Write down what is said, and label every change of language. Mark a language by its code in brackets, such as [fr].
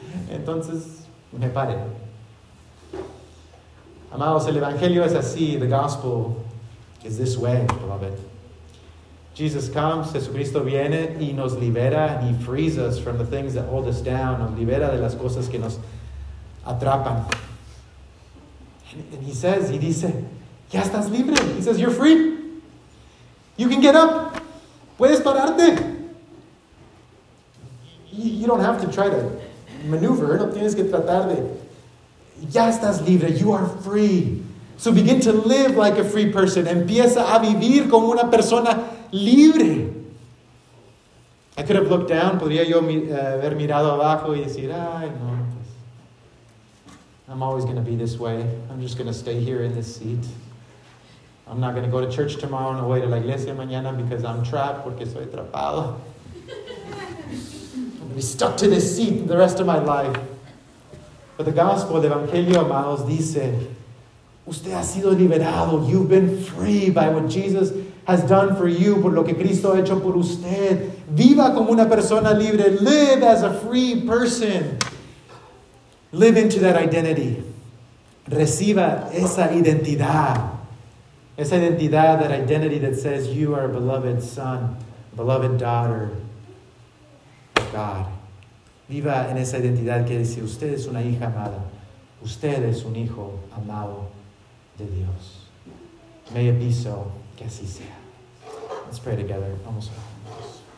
[es] Entonces, me paré. Amados, el Evangelio es así. [en] The Gospel is this way, beloved. Jesus comes, [es] Jesucristo viene y nos libera. [en] And he frees us from the things that hold us down. [es] Nos libera de las cosas que nos atrapan. [en] And he says, [es] he dice, ya estás libre. [en] He says, you're free. You can get up. [es] Puedes pararte. [en] You don't have to try to maneuver. [es] No tienes que tratar de. Ya estás libre. [en] You are free. So begin to live like a free person. [es] Empieza a vivir como una persona libre. [en] I could have looked down. [es] Podría yo haber mirado abajo y decir, ay, no. [en] I'm always going to be this way. I'm just going to stay here in this seat. I'm not going to go to church tomorrow on the way to [es] la iglesia mañana [en] because I'm trapped, [es] porque soy atrapado. [en] I'm going to be stuck to this seat the rest of my life. But the gospel, [es] el evangelio, amados, dice, usted ha sido liberado. [en] You've been free by what Jesus has done for you, [es] por lo que Cristo ha hecho por usted. Viva como una persona libre. [en] Live as a free person. Live into that identity. [es] Reciba esa identidad. Esa identidad, [en] that identity that says you are a beloved son, beloved daughter of God. [es] Viva en esa identidad que dice usted es una hija amada. Usted es un hijo amado de Dios. [en] May it be so, [es] que así sea. [en] Let's pray together. [es] Vamos a orar.